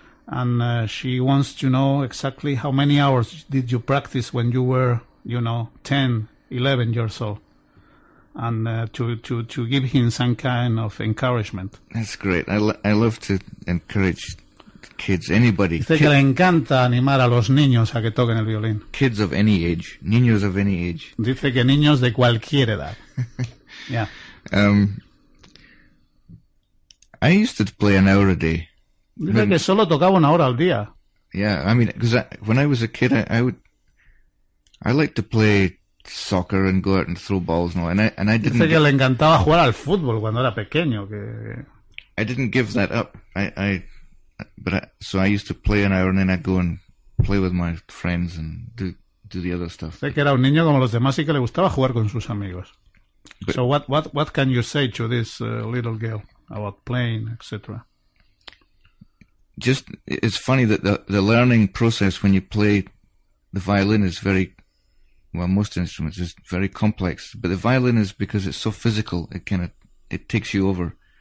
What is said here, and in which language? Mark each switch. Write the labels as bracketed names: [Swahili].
[English] And she wants to know exactly how many hours did you practice when you were, you know, 10, 11 years old. And to give him some kind of encouragement. That's great. I love to encourage kids, anybody. [Spanish] Dice que le encanta animar a los niños a que toquen el violín. [English] Kids of any age. Niños of any age. [Spanish] Dice que niños de cualquier edad. Yeah. [English] I used to play an hour a day. [Spanish] Dice que solo tocaba una hora al día. [English] Yeah, I mean, because when I was a kid, I liked to play soccer and go out and throw balls and all. And I didn't. [Spanish] Dice que le encantaba jugar al fútbol cuando era pequeño. Que... [English] I didn't give that up. I used to play an hour and then I'd go and play with my friends and do the other stuff. [Spanish] Dice que era un niño como los demás y que le gustaba jugar con sus amigos. [English] But, so what can you say to this little girl about playing, etc.? Just, it's funny that the learning process when you play the violin is very, well, most instruments is very complex. But the violin is because it's so physical, it kind of, it takes you over.